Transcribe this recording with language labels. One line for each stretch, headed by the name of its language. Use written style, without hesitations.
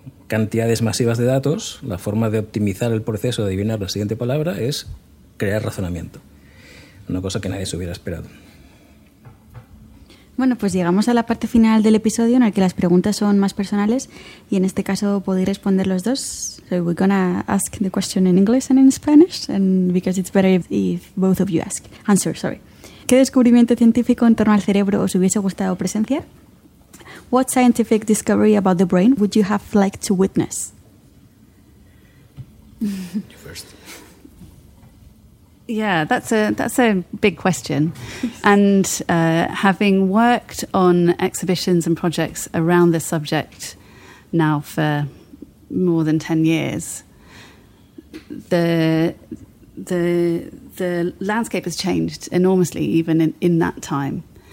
Spanish: cantidades masivas de datos, la forma de optimizar el proceso de adivinar la siguiente palabra es crear razonamiento. Una cosa que nadie se hubiera esperado. Bueno, pues llegamos a la parte final del episodio en el que las preguntas son más personales y en este caso podéis responder los dos.
English: So we're gonna ask the question in English and in Spanish, and because it's better if both of you ask. Answer, sorry.
Spanish: ¿Qué descubrimiento científico en torno al cerebro os hubiese gustado presenciar?
English: What scientific discovery about the brain would you have liked to witness? You first. Yeah, that's a big question. And having worked on exhibitions and projects around this subject now for more than 10 years, the landscape has changed enormously even in that time.